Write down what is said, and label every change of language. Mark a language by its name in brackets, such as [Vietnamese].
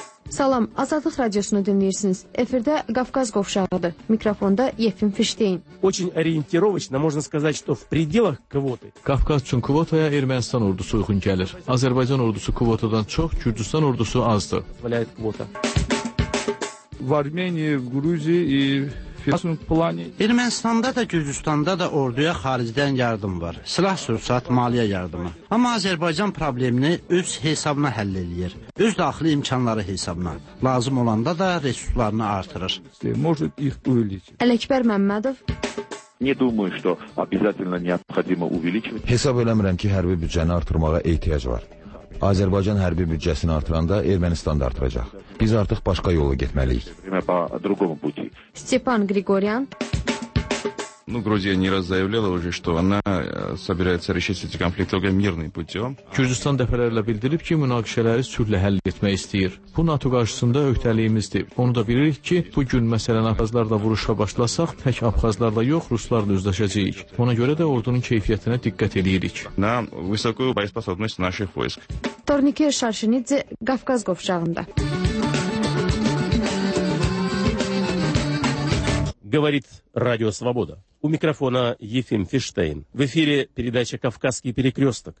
[Azerbaijani] Salam, Azadlıq radiosunu dinləyirsiniz. Efirdə Qafqaz qovşağıdır. Mikrofonda Yefim Fiştein. [Russian] Очень ориентировочно можно сказать, что в пределах квоты. [Azerbaijani] Qafqaz üçün kvotaya Ermənistan ordusu uyğun gəlir. Azərbaycan ordusu kvotadan çox, Gürcüstan ordusu azdır. Valayət kvota. [Russian] В Армении, в Грузии и [Azerbaijani] Ermənistanda da, Gürcüstanda da orduya xaricdən yardım var. Silah-sursat, maliyyə yardımı. Amma Azərbaycan problemini öz hesabına həll edir. Öz daxili imkanları hesabına. Lazım olanda da resurslarını artırır. Ələkbər Məmmədov. Hesab eləmirəm ki, hərbi büdcəni artırmağa ehtiyac var. Azərbaycan hərbi büdcəsini artıranda Ermənistan da artıracaq. Biz artıq başqa yola getməliyik. Stepan Grigoryan. [Russian] Грузия не раз заявляла уже, что она собирается решить эти конфликты только мирным путём. [Azerbaijani] Gürcüstan dəfələrlə bildirib ki, münaqişələri sülhlə həll etmək istəyir. Bu NATO qarşısında öhdəliyimizdir. Onu da bilirik ki, bu gün məsələn Abxazlarla vuruşa başlasaq, tək Abxazlarla yox, Ruslarla üzləşəcəyik. Ona görə də ordunun keyfiyyətinə diqqət eləyirik. [Russian] На высокую боеспособность наших войск. [Azerbaijani] Торникер Шаршинидзе, Qafqaz qovşağında. [Russian] Говорит Радио Свобода. У микрофона Ефим Фиштейн. В эфире передача «Кавказский перекресток».